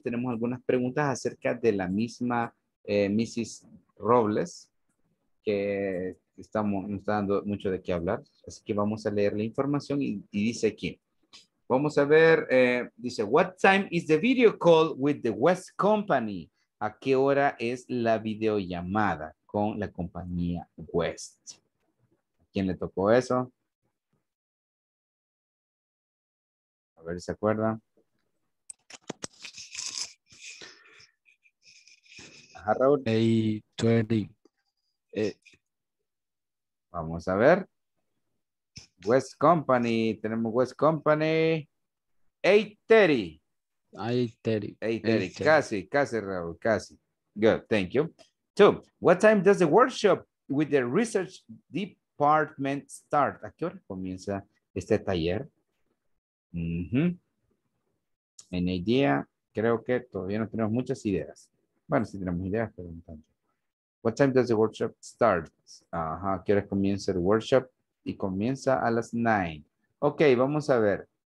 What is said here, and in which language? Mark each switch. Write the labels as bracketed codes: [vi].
[es] Tenemos algunas preguntas acerca de la misma Mrs. Robles, que estamos, nos está dando mucho de qué hablar. Así que vamos a leer la información y dice aquí. Vamos a ver, dice, [en] what time is the video call with the West Company? [es] ¿A qué hora es la videollamada con la compañía West? ¿A quién le tocó eso? A ver si se acuerda. Ajá, Raúl. 8:20. Vamos a ver. West Company, tenemos West Company, 8:30, casi Raúl, casi, [en] good, thank you. So, what time does the workshop with the research department start? [es] ¿A qué hora comienza este taller? Mm-hmm. En el día, creo que todavía no tenemos muchas ideas. Bueno, sí tenemos ideas, pero no tanto. [en] What time does the workshop start? [es] Ajá, ¿qué hora comienza el workshop? Y comienza a las 9. Ok, vamos a ver.